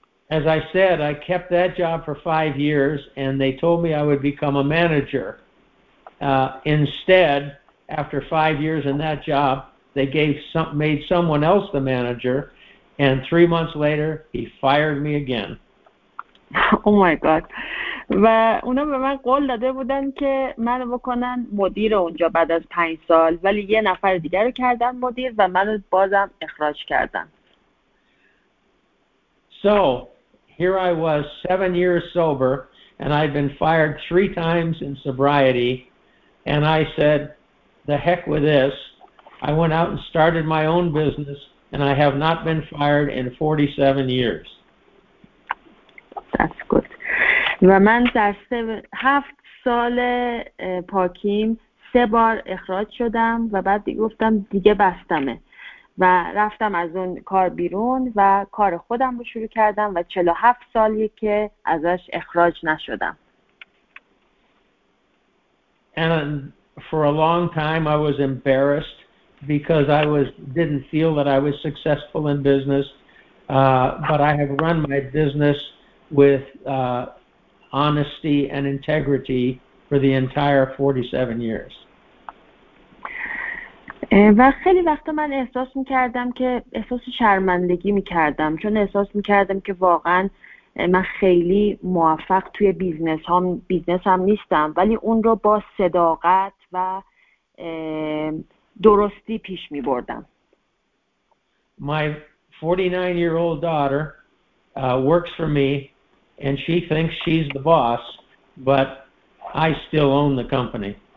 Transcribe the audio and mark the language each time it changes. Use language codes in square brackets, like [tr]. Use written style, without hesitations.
[en] As I said, I kept that job for 5 years and they told me I would become a manager. Instead, after 5 years in that job, they gave some, made someone else the manager, and 3 months later, he fired me again. Oh my God. [fa] و اونا به من قول داده بودن که منو بکنن مدیر اونجا بعد از 5 سال، ولی یه نفر دیگر رو کردن مدیر و منو بازم اخراج کردن. [en] So, here I was 7 years sober and I'd been fired 3 times in sobriety and I said, the heck with this. I went out and started my own business and I have not been fired in 47 years. That's good. [fa] و من در 7 سال پاکیم 3 بار اخراج شدم و بعد گفتم دیگه بستمه و رفتم از اون کار بیرون و کار خودم رو شروع کردم و 47 سالیه که ازش اخراج نشدم. [en] And for a long time I was embarrassed because I was didn't feel that I was successful in business, but I have run my business with honesty and integrity for the entire 47 years. [fa] و خیلی وقتا من احساس می‌کردم که احساس شرمندگی می‌کردم چون احساس می‌کردم که واقعا من خیلی موفق توی بیزنس هم نیستم، ولی اون رو با صداقت و درستی پیش می‌بردم. [en] My 49-year-old daughter works for me and she thinks she's the boss, but I still own the company.